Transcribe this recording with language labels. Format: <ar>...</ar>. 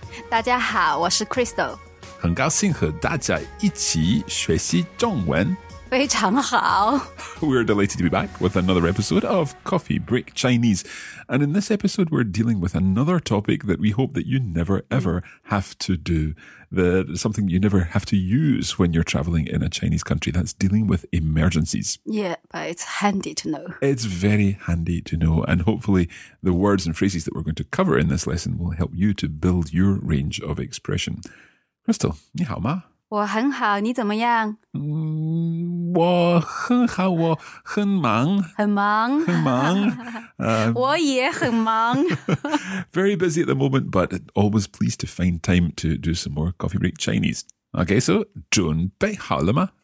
<zh>大家好，我是Crystal。很高兴和大家一起学习中文。非常好。</zh> <en>We're delighted to be back with another episode of Coffee Break Chinese. And in this episode, we're dealing with another topic that we hope that you never ever have to do. That is something you never have to use when you're traveling in a Chinese country. That's dealing with emergencies. Yeah, but it's handy to know. It's very handy to know. And hopefully the words and phrases that we're going to cover in this lesson will help you to build your range of expression.</en> <zh>Crystal, 你好吗? 我很好，你怎么样？我很好，我很忙。很忙。很忙。我也很忙。</zh> <en>Very busy at the moment, but always pleased to find time to do some more Coffee Break Chinese.</en> <zh>Okay, so 准备好了吗？</zh>